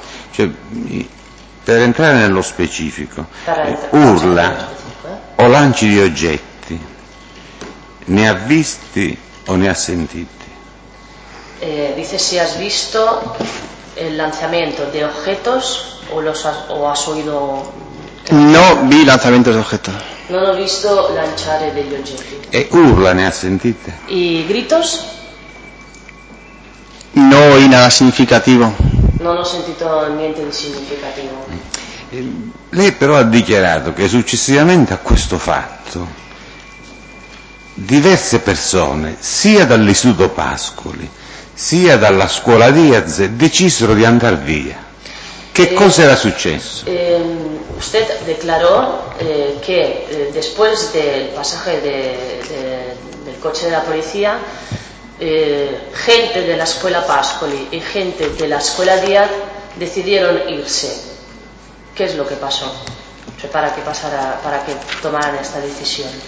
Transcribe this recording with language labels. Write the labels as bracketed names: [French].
[Italian] Cioè, per entrare nello specifico, urla o lanci di oggetti, ne ha visti o ne ha sentiti? Dice se [Spanish] has visto [Italian] il lanciamento di oggetti o [Spanish] has oído. No vi [Italian] lanciamento di oggetti. Non ho visto lanciare degli oggetti. E urla ne ha sentite? [Spanish] E gritos? No oí nada significativo. [Italian] Non ho sentito niente di significativo. Lei però ha dichiarato che successivamente a questo fatto diverse persone, sia dall'istituto Pascoli sia dalla scuola Diaz, decisero di andare via. Che cosa era successo? [Spanish] Usted declaró che después del passaggio del coche della polizia gente della scuola Pascoli e gente della scuola Diaz decidieron irse. ¿Qué es lo que pasó? O sea, para que tomaran esta decisión.